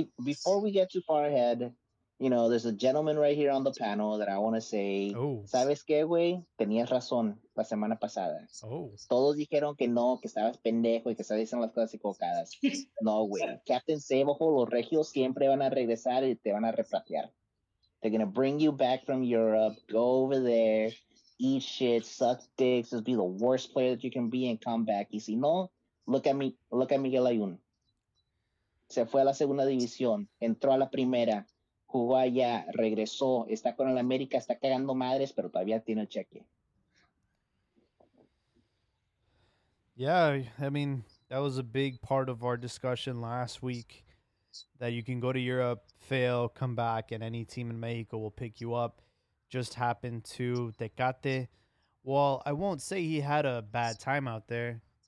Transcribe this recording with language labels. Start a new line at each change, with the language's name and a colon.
English: Before we get too far ahead, you know, there's a gentleman right here on the panel that I want to say, ooh.
Spanish: ¿Sabes qué, güey? Tenías razón la semana pasada. Oh. Todos dijeron que no, que estabas pendejo y que estabas diciendo las cosas equivocadas. No, güey. Captain Sabojo, los regios siempre van a regresar y te van a replatear.
English: They're going to bring you back from Europe, go over there, eat shit, suck dicks, just be the worst player that you can be and come back.
Spanish: Y si no,
English: look at Miguel Ayun.
Spanish: Se fue a la segunda división, entró a la primera. Uruguay regresó, está con el América, está cagando madres, pero todavía tiene el cheque.
English: Yeah, I mean, that was a big part of our discussion last week. that you can go to Europe, fail, come back, and any team in Mexico will pick you up. Just happened to Tecate. Well, I won't say he had a bad time out there.